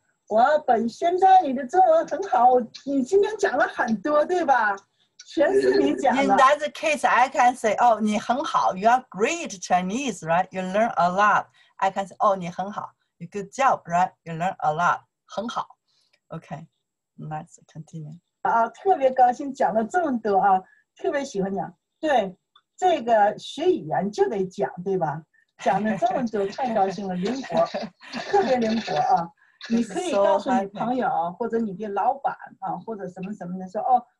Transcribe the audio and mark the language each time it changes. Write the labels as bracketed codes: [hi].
[zh] 我本现在你的中文很好你今天讲了很多对吧 [en] In that case, I can say, oh, [zh] 你很好 [en] you are great Chinese, right? You learn a lot. I can say, oh, [zh] 你很好 [en] you good job, right? You learn a lot. [zh] 很好 [en] Okay, let's continue. [zh] 特别高兴讲了这么多啊，特别喜欢讲。对，这个学语言就得讲，对吧？讲了这么多，太高兴了，灵活，特别灵活啊。你可以告诉你朋友或者你的老板啊，或者什么什么的说，哦。